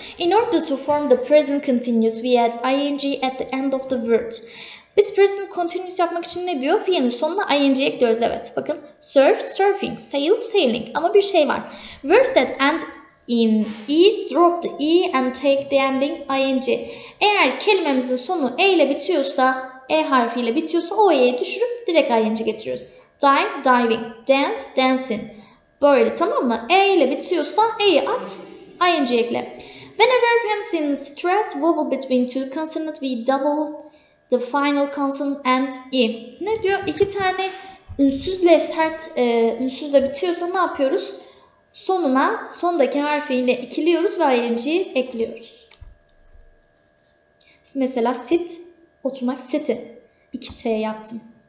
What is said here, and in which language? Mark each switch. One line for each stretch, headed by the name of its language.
English: In order to form the present continuous, we add ing at the end of the word.
Turkish: Biz present continuous yapmak için ne diyor? Fiilin sonuna ing ekliyoruz. Evet. Bakın. Surf, surfing. Sail, sailing. Ama bir şey var.
English: Words that end in e, drop the e and take the ending ing.
Turkish: Eğer kelimemizin sonu e ile bitiyorsa, e harfiyle bitiyorsa o e'yi düşürüp direkt ing getiriyoruz.
English: Dive, diving. Dance, dancing.
Turkish: Böyle, tamam mı? E ile bitiyorsa e'yi at, ing ekle.
English: Whenever comes in stress, vowel between two consonants, we double the final consonant and e.
Turkish: Ne diyor? İki tane ünsüzle sert, ünsüzle bitiyorsa ne yapıyoruz? Sonuna, sondaki harfiyle ikiliyoruz ve ing'i ekliyoruz. Mesela sit, oturmak, sit'i. 2 T yaptım.